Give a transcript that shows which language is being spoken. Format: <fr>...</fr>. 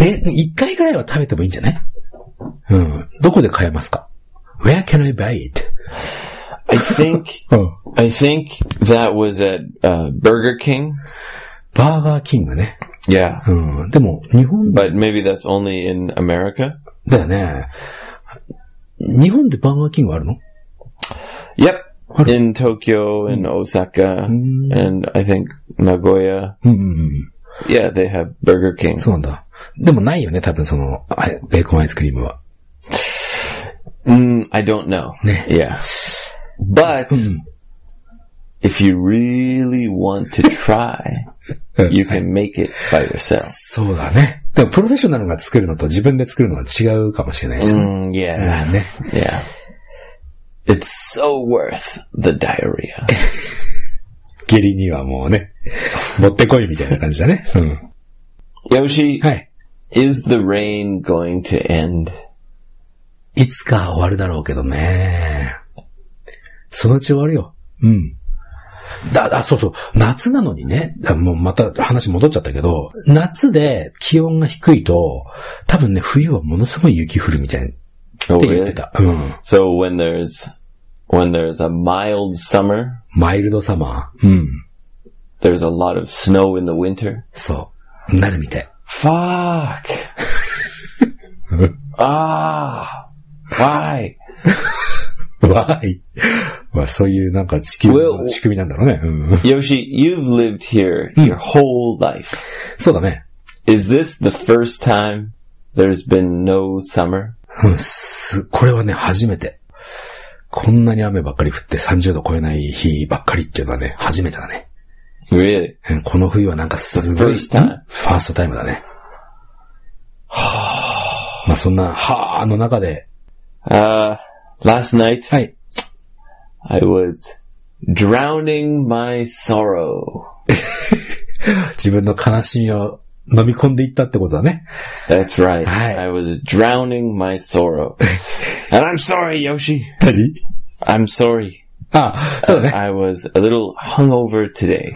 <ja>一回ぐらいは食べてもいいんじゃない？どこで買えますか？</ja> <en>Where can I buy it? I think that was at Burger King.</en> <ja>Burger King ね。</ja> <en>Yeah.</en> <ja>でも、日本で。</ja> <en>But maybe that's only in America?</en> <ja>だよね。日本でバーガーキングあるの？</ja> <en>Yep. In Tokyo, in Osaka, and I think Nagoya. Yeah, they have Burger King.</en> <ja>そうなんだ。でもないよね、多分その、ベーコンアイスクリームは。</ja> <en>I don't know.</en> <ja>ね。</ja> <en>Yeah. But, if you really want to try, you can make it by yourself.</en> <ja>そうだね。でも、プロフェッショナルが作るのと自分で作るのは違うかもしれないじゃん。</ja> <en>Yeah.</en> <ja>ね。</ja> <en>Yeah. It's so worth the diarrhea.</en> <ja>下痢にはもうね、持ってこいみたいな感じだね。</ja> <en>Yoshi.</en> <ja>はい。</ja> <en>Is the rain going to end?</en> <ja>いつか終わるだろうけどね。そのうち終わるよ。そうそう。夏なのにね。もうまた話戻っちゃったけど、夏で気温が低いと、多分ね、冬はものすごい雪降るみたいな。って言ってた。</ja> <en>So when there's a mild summer. マイルドサマー。 There's a lot of snow in the winter.</en> <ja>そう。なるみたい。</ja> <en>Fuck! Ah! Why? Why?</en> <ja>まあそういうなんか地球の仕組みなんだろうね。</ja> <en>Yoshi, you've lived here your whole life.</en> <ja>そうだね。</ja> <en>Is this the first time there's been no summer?</en> <ja>これはね、初めて。こんなに雨ばっかり降って30度超えない日ばっかりっていうのはね、初めてだね。</ja> <en>Really?</en> <ja>この冬はなんかすごい、ファーストタイムだね。はぁ。まあそんな、はぁの中で。</ja> <en>Last night.</en> <ja>はい。</ja> <en>I was drowning my sorrow.</en> <ja>自分の悲しみを飲み込んでいったってことだね。</ja> <en>That's right.、</en> <ja>はい、</ja> <en>I was drowning my sorrow. And I'm sorry, Yoshi.</en> <ja>何?</ja> <en>I'm sorry.</en> <ja>あ、そうだね。</ja> <en>I was a little hungover today.</en>